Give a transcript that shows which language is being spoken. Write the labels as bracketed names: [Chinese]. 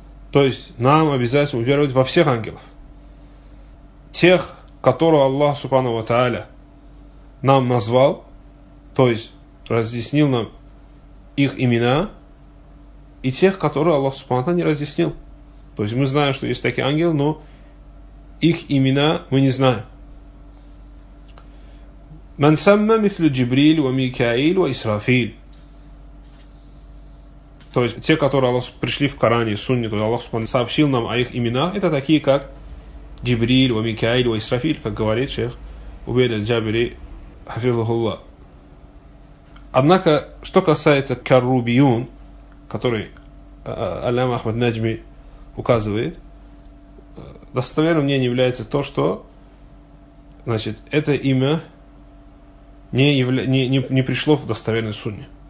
[Russian] То есть нам обязательно уверовать во всех ангелов. Тех, которого Аллах Субхана ва Тааля нам назвал, то есть разъяснил нам их имена, и тех, которые Аллах Субхана ва Тааля не разъяснил. То есть мы знаем, что есть такие ангелы, но их имена мы не знаем. [Arabic] من سمى مثل جبريل وميكائيل وإسرафيل. [Russian] То есть те, которые пришли в Коране, Сунне, то Аллах Субхану сообщил нам о их именах, это такие как Джибриль, ва Микаиль, ва Исрафиль, как говорит шейх Убейд аль-Джабири, хафизахуллах. Однако, что касается Каррубиюн, который Аллама Ахмад Наджми указывает, достоверным мнением является то, что значит, это имя не пришло в достоверной Сунне.